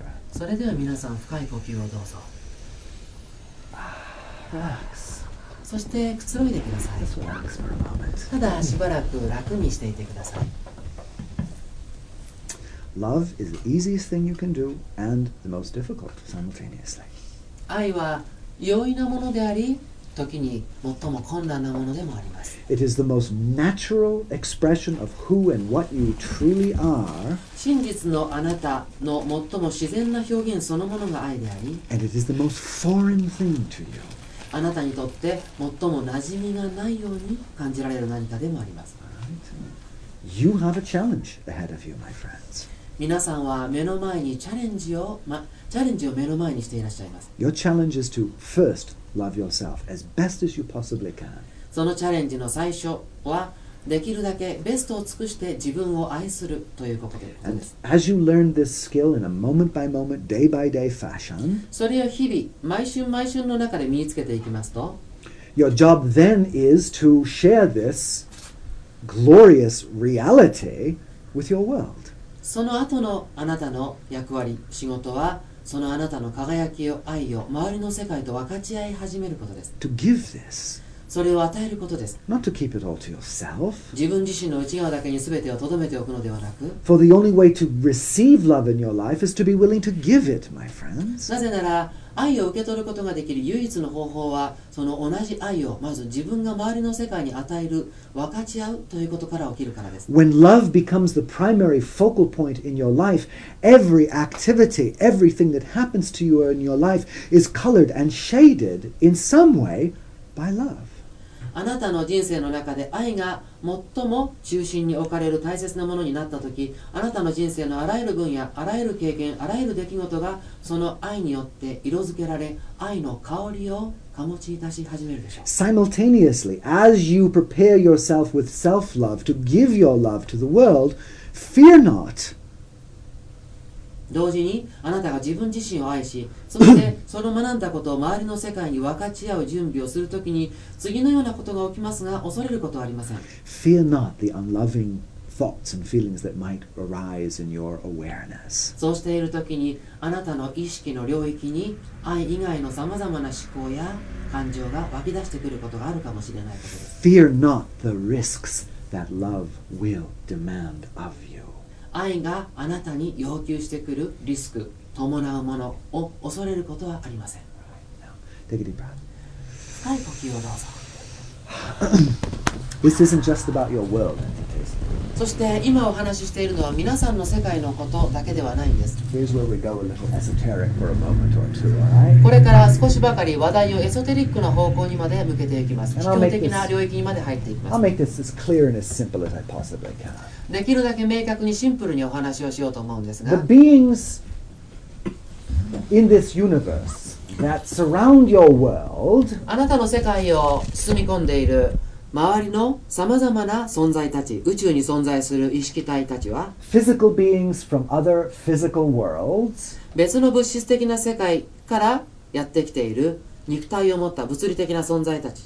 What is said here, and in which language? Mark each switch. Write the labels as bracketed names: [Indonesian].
[Japanese] それでは皆さん、深い呼吸をどうぞ。 [English] Relax. [Japanese] そしてくつろいでください。ただしばらく楽にしていてください。 [English] Love is the easiest thing you can do and the most difficult simultaneously. [Japanese] 愛は容易なものであり、時に最も困難なものでもあります。 [English] It is the most natural expression of who and what you truly are. [Japanese] 真実のあなたの最も自然な表現そのものが愛であり、 [English] And it is the most foreign thing to you. [Japanese] あなたにとって最も馴染みがないように感じられる何かでもあります。 [English] You have a challenge ahead of you, my friends. [Japanese] 皆さんは目の前にチャレンジを目の前にしていらっしゃいます。 [English] Your challenge is to first love yourself as best as you possibly can. [Japanese] そのチャレンジの最初はできるだけベストを尽くして自分を愛するということです。 [English] And as you learn this skill in a moment by moment, day by day fashion, [Japanese] それを日々毎瞬毎瞬の中で身につけていきますと、 [English] Your job then is to share this. Glorious reality with your world. [Japanese] その後のあなたの役割、仕事は、そのあなたの輝きを、愛を、周りの世界と分かち合い始めることです。 [English] To give this. [Japanese] それを与えることです。 [English] Not to keep it all to yourself. [Japanese] 自分自身の内側だけに全てを留めておくのではなく、 [English] For the only way to receive love in your life is to be willing to give it, my friends. [Japanese] なぜなら、愛を受け取ることができる唯一の方法は、その同じ愛をまず自分が周りの世界に与える、分かち合うということから起きるからです。 [English] When love becomes the primary focal point in your life, every activity, everything that happens to you in your life is colored and shaded in some way by love. [Japanese] あなたの人生の中で愛が最も中心に置かれる大切なものになったとき、あなたの人生のあらゆる分野、あらゆる経験、あらゆる出来事がその愛によって色づけられ、愛の香りを醸し出し始めるでしょう。 [English] Simultaneously, as you prepare yourself with self-love to give your love to the world, fear not. [Japanese] 同時に、あなたが自分自身を愛し、そしてその学んだことを周りの世界に分かち合う準備をするときに、次のようなことが起きますが、恐れることはありません。 [English] Fear not the unloving thoughts and feelings that might arise in your awareness. [Japanese] そうしているときに、あなたの意識の領域に、愛以外のさまざまな思考や感情が湧き出してくることがあるかもしれないことです。 [English] Fear not the risks that love will demand of you. [Japanese] 愛があなたに要求してくるリスク、伴うものを恐れることはありません。 [English] Take a deep breath. [Japanese] 深い呼吸をどうぞ。 [English] This isn't just about your world, entities. [Japanese] そして今お話ししているのは皆さんの世界のことだけではないんです。 [English] Here's where we go a little esoteric for a moment or two, alright? [Japanese] これから少しばかり話題をエソテリックの方向にまで向けていきます。基本的な領域にまで入っていきます。 [English] I'll make this as clear and as simple as I possibly can. [Japanese] できるだけ明確にシンプルにお話をしようと思うんですが、 [English] The beings in this universe that surround your world, [Japanese] あなたの世界を包み込んでいる周りのさまざまな存在たち、宇宙に存在する意識体たちは、 [English] Physical beings from other physical worlds, [Japanese] 別の物質的な世界からやってきている肉体を持った物理的な存在たち。